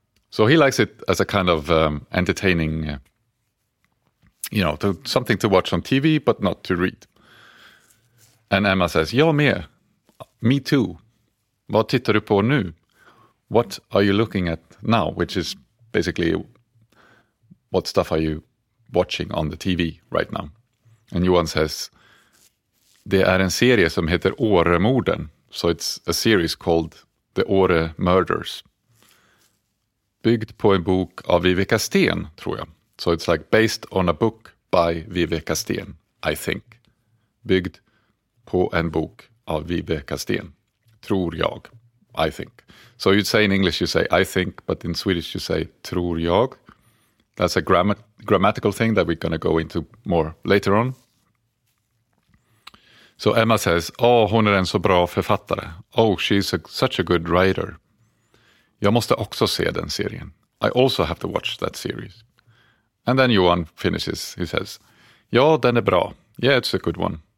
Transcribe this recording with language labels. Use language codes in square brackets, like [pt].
[en] So he likes it as a kind of entertaining, something to watch on TV, but not to read. And Emma says, [sv] jag med. [en] Me too. [sv] Vad tittar du på nu? [en] What are you looking at now? Which is basically, what stuff are you watching on the TV right now? And Johan says, [sv] det är en serie som heter Åremorden. [en] So it's a series called The Åre Murders. [sv] Byggd på en bok av Viveka Sten, tror jag. [en] So it's like based on a book by Viveka Sten, I think. [sv] Byggd på en bok av Viveka Sten, tror jag, [en] I think. So you'd say in English, you say I think, but in Swedish you say [sv] tror jag. [en] That's a grammatical thing that we're going to go into more later on. So Emma says, [sv] åh, hon är en så bra författare. [en] Oh, she's such a good writer. [sv] Jag måste också se den serien. [en] I also have to watch that series. And then Johan finishes. He says, [sv] ja, den är bra. [en] Yeah, it's a good one.